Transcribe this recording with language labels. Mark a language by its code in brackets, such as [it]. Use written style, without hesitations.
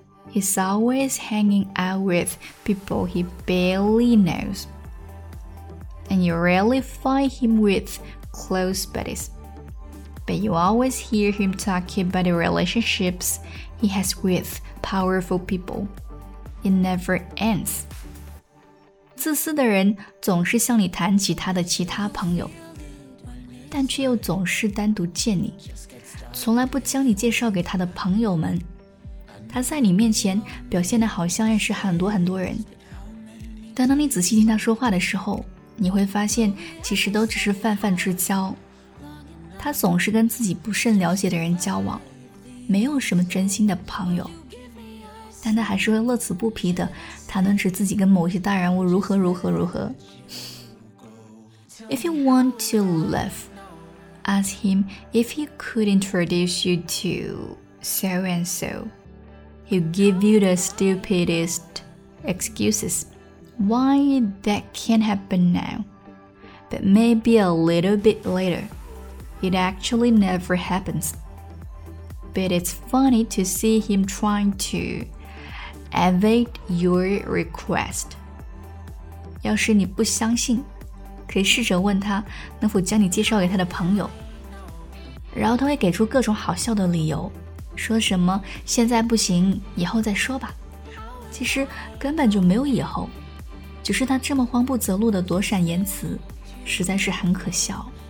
[en] He's always hanging out with people he barely knows, and you rarely find him with close buddies. But you always hear him talking about the relationships he has with powerful people. It never ends. [zh] 自私的人总是向你谈起他的其他朋友，但却又总是单独见你，从来不将你介绍给他的朋友们。他在你面前表现得好像认识很多很多人，但当你仔细听他说话的时候，你会发现其实都只是泛泛之交。他总是跟自己不甚了解的人交往，没有什么真心的朋友。但他还是会乐此不疲地谈论着自己跟某些大人物如何如何如何。 [en] If you want to laugh, ask him if he could introduce you to so and so. He'll give you the stupidest excuses why that can't happen now, but maybe a little bit later. It actually never happens. But it's funny to see him trying to. Evade your request. [zh] 要是你不相信，可以试着问他能否将你介绍给他的朋友，然后他会给出各种好笑的理由，说什么现在不行，以后再说吧。其实根本就没有以后，只是他这么慌不择路的躲闪言辞，实在是很可笑。